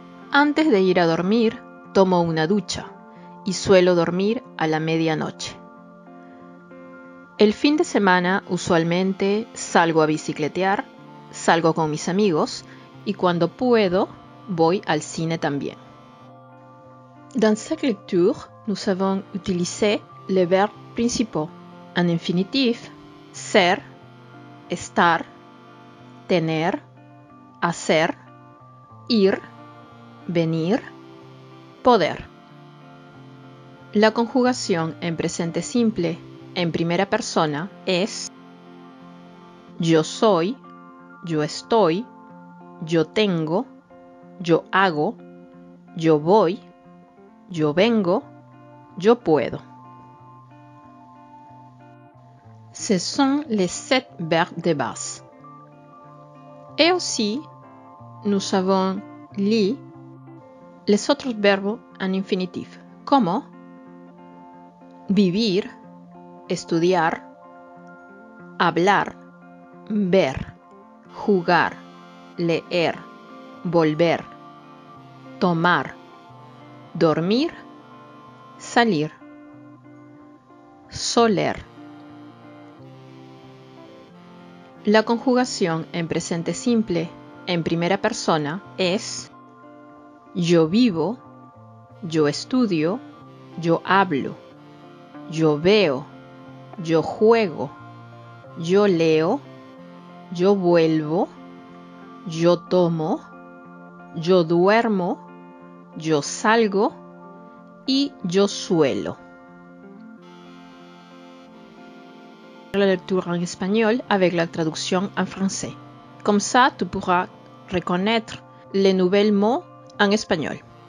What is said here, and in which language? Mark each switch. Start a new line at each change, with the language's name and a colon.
Spanish: Antes de ir a dormir, tomo una ducha y suelo dormir a la medianoche. El fin de semana, usualmente, salgo a bicicletear, salgo con mis amigos y cuando puedo, voy al cine también.
French: Dans cette lecture, nous avons utilisé les verbes principaux en infinitif,
Spanish: ser, estar, tener, hacer, ir, venir, poder. La conjugación en presente simple, en primera persona, es yo soy, yo estoy, yo tengo, yo hago, yo voy, yo vengo, yo puedo.
French: Ce sont les sept verbes de base. Et aussi, nous avons lu les autres verbes en infinitif, comme
Spanish: vivir, estudiar, hablar, ver, jugar, leer, volver, tomar, dormir, salir, soler. La conjugación en presente simple, en primera persona, es yo vivo, yo estudio, yo hablo, yo veo, yo juego, yo leo, yo vuelvo, yo tomo, yo duermo, yo salgo y yo suelo.
French: La lecture en español avec la traducción en français. Comme ça, tu pourras reconnaître les nouveaux mots en español.